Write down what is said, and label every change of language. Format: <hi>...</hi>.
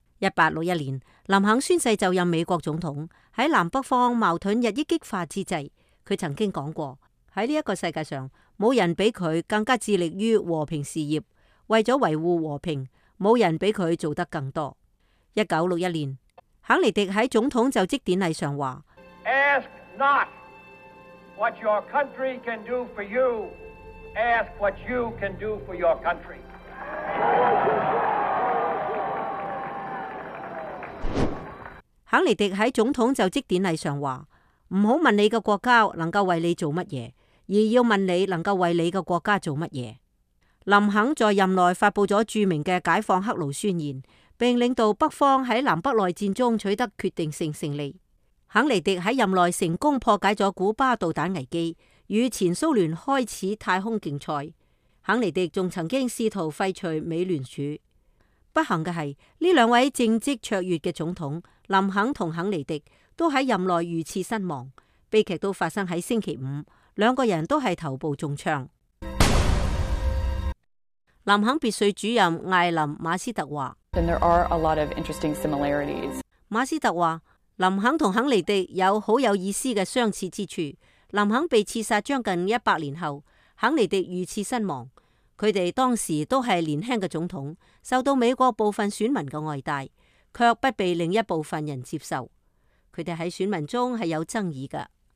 <zh>1861年，林肯宣誓就任美国总统，在南北方矛盾日益激化之际，他曾经说过，在这个世界上，没有人比他更加致力于和平事业，为了维护和平，没有人比他做得更多。 1961年，肯尼迪在总统就职典礼上说，</zh> <en>Ask not what your country can do for you, ask what you can do for your country.</en> <zh>肯尼迪在总统就职典礼上说，不要问你的国家能够为你做什么，而要问你能够为你的国家做什么。林肯在任内发布了著名的解放黑奴宣言，并领导北方在南北内战中取得决定性胜利。肯尼迪在任内成功破解了古巴导弹危机，与前苏联开始太空竞赛。肯尼迪还曾经试图废除美联储。不幸的是，这两位政绩卓越的总统林肯和肯尼迪都在任内遇刺身亡，悲剧都发生在星期五，两个人都是头部中枪。林肯别墅主任艾琳·马斯特说，</zh> <en>Then there are a lot of interesting similarities.</en> <zh>马斯特说，林肯和肯尼迪有很有意思的相似之处。林肯被刺杀将近100年后，肯尼迪遇刺身亡，他们当时都是年轻的总统，受到美国部分选民的爱戴，却不被另一部分人接受，他们在选民中是有争议的。</zh>